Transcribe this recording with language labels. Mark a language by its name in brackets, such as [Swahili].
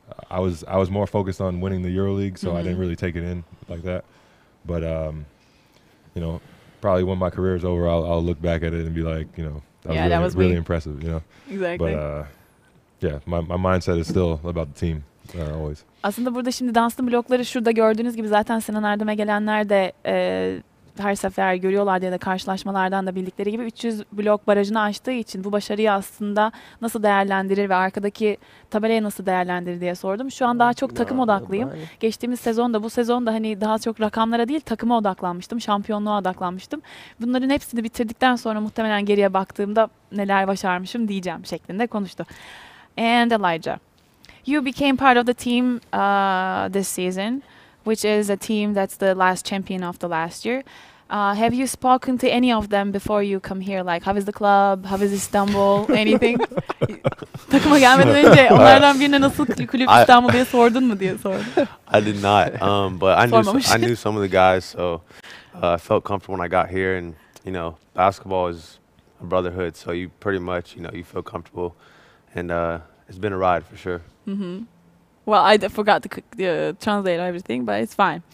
[English] I was more focused on winning the EuroLeague, so mm-hmm. I didn't really take it in like that. But you know. Probably when my career is over, I'll look back at it and be like, you know, that was really impressive, you know. Exactly. But my mindset is still about the team, always. [Turkish] Aslında burada şimdi Dunstan blokları şurada gördüğünüz gibi zaten Sinan Erdem'e gelenler de her sefer görüyorlardı ya da karşılaşmalardan da bildikleri gibi 300 blok barajını aştığı için bu başarıyı aslında nasıl değerlendirir ve arkadaki tabelayı nasıl değerlendirir diye sordum. Şu an daha çok takım odaklıyım. Geçtiğimiz sezonda, bu sezonda hani daha çok rakamlara değil takıma odaklanmıştım, şampiyonluğa odaklanmıştım. Bunların hepsini bitirdikten sonra muhtemelen geriye baktığımda neler başarmışım diyeceğim şeklinde konuştu. [English] And Elijah, you became part of the team this season, which is a team that's the last champion of the last year. Have you spoken to any of them before you come here? Like, how is the club? How is Istanbul? Anything? [Turkish] Takıma gelmeden önce onlardan birine nasıl kulüp İstanbul diye sordun mu diye sordum. [English] I did not, but I knew some of the guys, so I felt comfortable when I got here. And, you know, basketball is a brotherhood, so you pretty much, you know, you feel comfortable. And it's been a ride for sure. Mm-hmm. Well, I forgot to translate everything, but it's fine.